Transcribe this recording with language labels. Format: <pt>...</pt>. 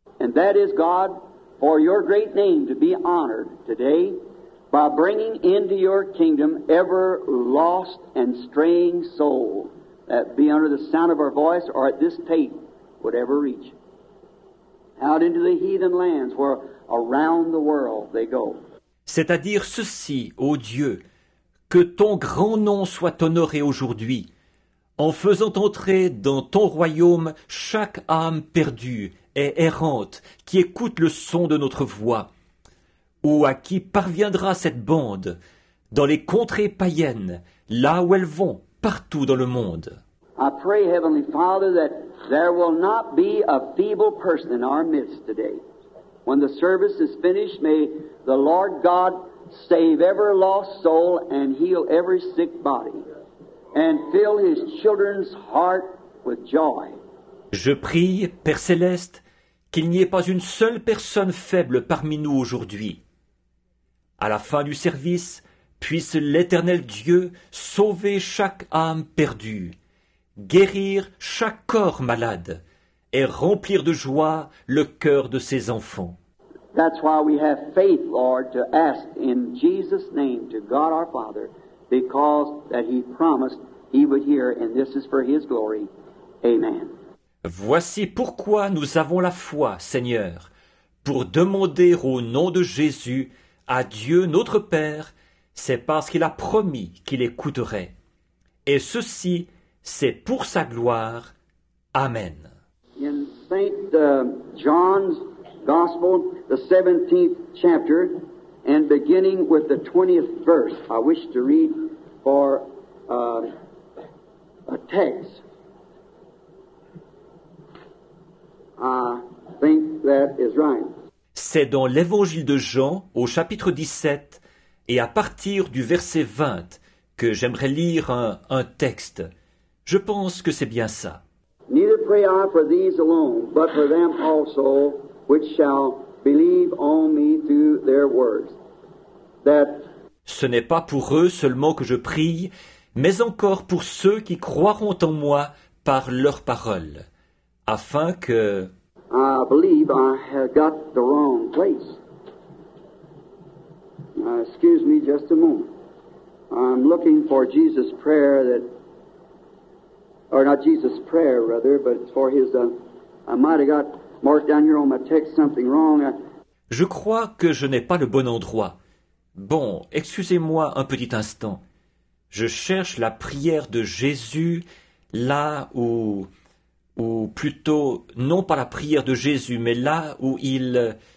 <en>And that is God, for your great name to be honored today by bringing into your kingdom ever lost and straying soul that be under the sound of our voice or at this tape would ever reach. Out into the heathen lands where around the world they go.</en> <fr>C'est-à-dire ceci, ô Dieu, que ton grand nom soit honoré aujourd'hui, en faisant entrer dans ton royaume chaque âme perdue et errante qui écoute le son de notre voix, ou à qui parviendra cette bande, dans les contrées païennes, là où elles vont, partout dans le monde.</fr> <en>I pray, Heavenly Father, that there will not be a feeble person in our midst today. When the service is finished, may the Lord God save every lost soul and heal every sick body and fill His children's heart with joy.</en> <fr>Je prie, Père Céleste, qu'il n'y ait pas une seule personne faible parmi nous aujourd'hui. À la fin du service, puisse l'Éternel Dieu sauver chaque âme perdue, guérir chaque corps malade et remplir de joie le cœur de ses enfants.</fr> <en>That's why we have faith, Lord, to ask in Jesus' name to God our Father, because that He promised He would hear, and this is for His glory. Amen.</en> <fr>Voici pourquoi nous avons la foi, Seigneur, pour demander au nom de Jésus à Dieu notre Père, c'est parce qu'il a promis qu'il écouterait. Et ceci, c'est pour sa gloire. Amen.</fr> <en>In Saint John's Gospel, the 17th chapter, and beginning with the 20th verse, I wish to read for a text. I think that is right.</en> <fr>C'est dans l'Évangile de Jean, au chapitre 17, et à partir du verset 20, que j'aimerais lire un texte. Je pense que c'est bien ça.</fr> <en>Neither pray I for these alone, but for them also which shall believe on me through their words. That</en> <fr>ce n'est pas pour eux seulement que je prie, mais encore pour ceux qui croiront en moi par leurs paroles, afin que</fr> <en>I believe I have got the wrong place. Excuse me just a moment. I'm looking for Jesus' prayer that or not Jesus' prayer, rather, but it's for his I might have got marked down here on my text something wrong.</en> <fr>Je crois que je n'ai pas le bon endroit. Bon, excusez-moi un petit instant. Je cherche la prière de Jésus là où... Ou plutôt, non pas la prière de Jésus, mais là où il...</fr>